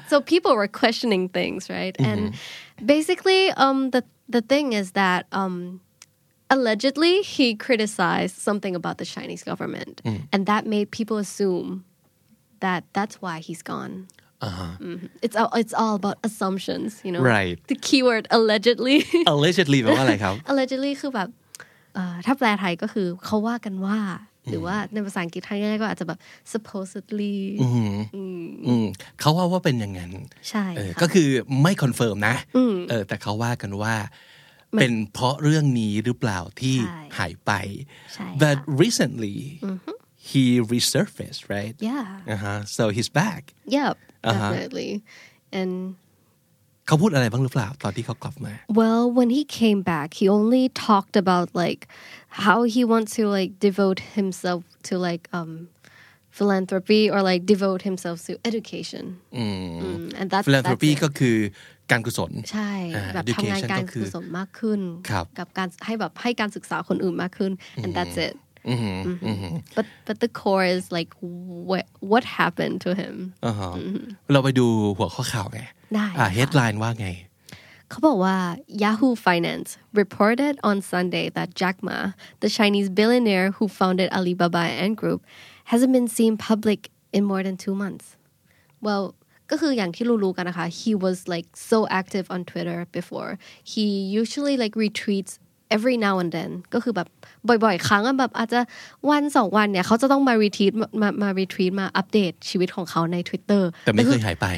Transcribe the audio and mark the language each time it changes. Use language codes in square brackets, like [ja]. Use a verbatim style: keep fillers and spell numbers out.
[en] So people were questioning things, right? Mm-hmm. And basically, um, the the thing is that um. Allegedly, he criticized something about the Chinese government. Mm. And that made people assume that that's why he's gone. Uh-huh. Mm-hmm. It's, all, it's all about assumptions, you know. Right. The keyword allegedly. [th] Allegedly แปลว่าอะไรครับ Allegedly คือแบบเอ่อถ้าแปลไทยก็คือเขาว่ากันว่าหรือว่าในภาษาอังกฤษไทยง่ายๆก็อาจจะแบบ supposedly อืมอืมเขาว่าว่าเป็นอย่างนั้น ใช่ เออก็คือไม่คอนเฟิร์มนะ อืม เออแต่เขาว่ากันว่าเป็นเพราะเรื่องนี้หรือเปล่าที่หายไป [en] but recently mm-hmm. he resurfaced right yeah uh-huh so he's back yep Uh-huh. definitely and [th] เขาพูดอะไรบ้างหรือเปล่าตอนที่เขากลับมา [en] well when he came back he only talked about like how he wants to like devote himself to like um philanthropy or like devote himself to education [th] อืม [en] mm, and that's philanthropy that's it. [th] ก็คือการกุศล ใช่ อ่า แบบทำงาน [en] education [th] การ ก็คือ กุศลมากขึ้น ครับ กับการให้แบบให้การศึกษาคนอื่นมากขึ้น [en] and that's it [th] อือหืออือหือ [en] but but the core is like what what happened to him [th] อ่าฮะเราไปดูหัวข้อข่าวไง ได้ อ่า ค่ะ headline ว่าไง เขาบอกว่า [en] Yahoo Finance reported on Sunday that Jack Ma, the Chinese billionaire who founded Alibaba and Ant Group, hasn't been seen public in more than two months. Well, [th] ก็คืออย่างที่รู้ๆกันนะคะ [en] he was like so active on Twitter before. He usually like retweets every now and then [th] ก็คือแบบบ่อยๆครั้งแบบอาจจะวันสองวันเนี่ยเขาจะต้องมา retweet มามา retweet มาอัปเดตชีวิตของเขาใน Twitter แต่ไม่เคยหายไป